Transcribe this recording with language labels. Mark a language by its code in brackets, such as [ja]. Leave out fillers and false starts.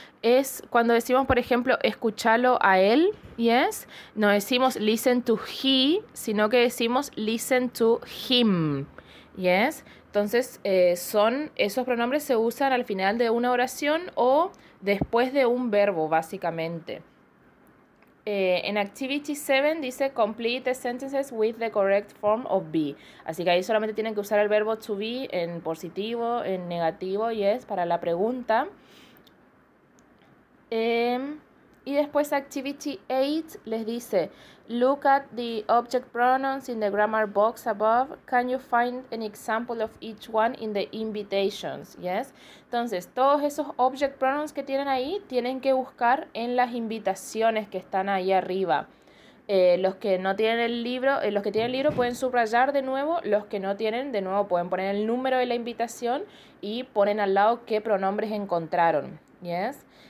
[es] Es cuando decimos, por ejemplo, escúchalo a él, ¿yes? No decimos [en] listen to he, [es] sino que decimos [en] listen to him, ¿yes? [es] Entonces, esos pronombres se usan al final de una oración o después de un verbo, básicamente. En Activity 7 dice [en] complete the sentences with the correct form of be. [es] Así que ahí solamente tienen que usar el verbo to be en positivo, en negativo, yes, para la pregunta. Y después Activity 8 les dice [en] look at the object pronouns in the grammar box above. Can you find an example of each one in the invitations? Yes. [es] Entonces, todos esos object pronouns que tienen ahí tienen que buscar en las invitaciones que están ahí arriba. Los que no tienen el libro, los que tienen el libro pueden subrayar de nuevo. Los que no tienen, de nuevo, pueden poner el número de la invitación y ponen al lado qué pronombres encontraron. Yes.